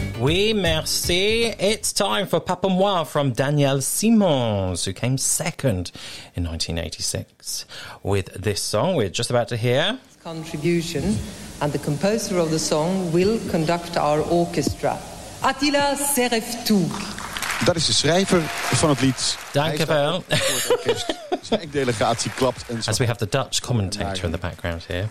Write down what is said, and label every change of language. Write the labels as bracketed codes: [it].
[fr] Oui, merci. [en] It's time for Papa Moi from Danielle Simons, who came second in 1986 with this song we're just about to hear. Contribution, and the composer of the song will conduct our orchestra. Attila Serefdoek. [nl] Dat is de schrijver van het lied. Dank je wel. Zijn delegatie klapt en zo. [en] As we have the Dutch commentator in the background here.